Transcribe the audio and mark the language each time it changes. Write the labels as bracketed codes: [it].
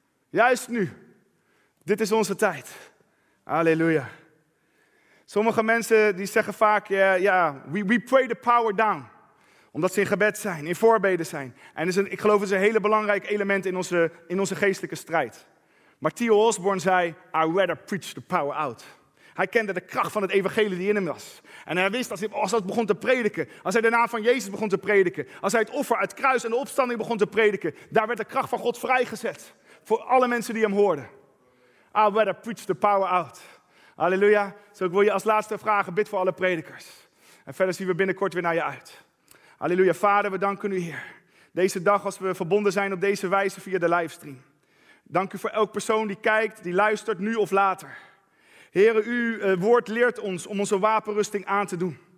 [nl] Juist nu. Dit is onze tijd. Halleluja. Sommige mensen die zeggen vaak, [en] we pray the power down. [nl] Omdat ze in gebed zijn, in voorbeden zijn. En ik geloof het is een hele belangrijk element in onze geestelijke strijd. Maar T.O. [en] Osborne [nl] zei, [en] I rather preach the power out. [nl] Hij kende de kracht van het evangelie die in hem was. En hij wist dat als hij begon te prediken, als hij de naam van Jezus begon te prediken, als hij het offer, het kruis en de opstanding begon te prediken, daar werd de kracht van God vrijgezet voor alle mensen die hem hoorden. [en] I rather preach the power out. [nl] Halleluja. Zo, ik wil je als laatste vragen, bid voor alle predikers. En verder zien we binnenkort weer naar je uit. Halleluja. Vader, we danken u hier. Deze dag als we verbonden zijn op deze wijze via de livestream. Dank u voor elk persoon die kijkt, die luistert, nu of later. Heere, uw woord leert ons om onze wapenrusting aan te doen.